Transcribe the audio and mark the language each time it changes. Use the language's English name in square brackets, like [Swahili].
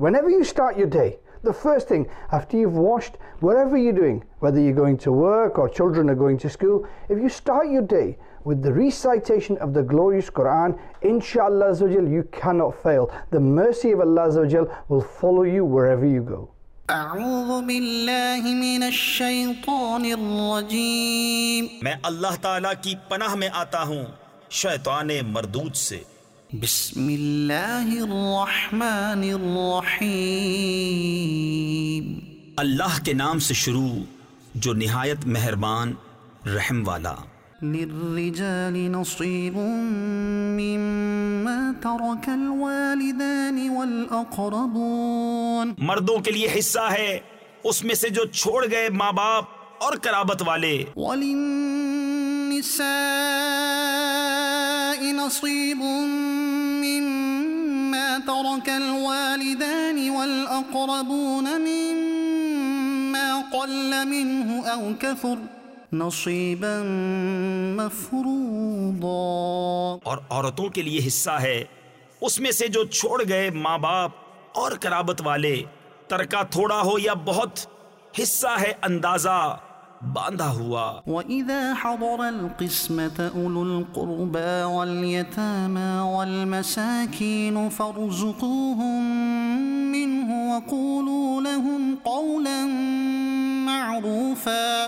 [English] Whenever you start your day, the first thing after you've washed, whatever you're doing, whether you're going to work or children are going to school, if you start your day with the recitation of the glorious Quran, inshallah, you cannot fail. The mercy of Allah will follow you wherever you go. [Arabic] أعوذ بالله من الشيطان الرجيم [Urdu] میں اللہ تعالیٰ کی پناہ میں آتا ہوں شیطان مردود سے. [Arabic] بسم اللہ الرحمن الرحیم [Urdu] اللہ کے نام سے شروع جو نہایت مہربان رحم والا. [Arabic] للرجال نصيب مما ترك الوالدان والأقربون [Urdu] مردوں کے لیے حصہ ہے اس میں سے جو چھوڑ گئے ماں باپ اور قرابت والے. [Arabic] وللنساء نصيب مما ترك الوالدان والأقربون مما قل منه أو كثر نصیبا مفروضا [Urdu] اور عورتوں کے لیے حصہ ہے اس میں سے جو چھوڑ گئے ماں باپ اور قرابت والے ترکہ تھوڑا ہو یا بہت حصہ ہے اندازہ باندھا ہوا. [Arabic] وَإِذَا حَضَرَ الْقِسْمَةَ أُولُو الْقُرْبَى وَالْيَتَامَى وَالْمَسَاكِينُ فَارْزُقُوهُمْ مِنْهُ وَقُولُوا لَهُمْ قَوْلًا مَعْرُوفًا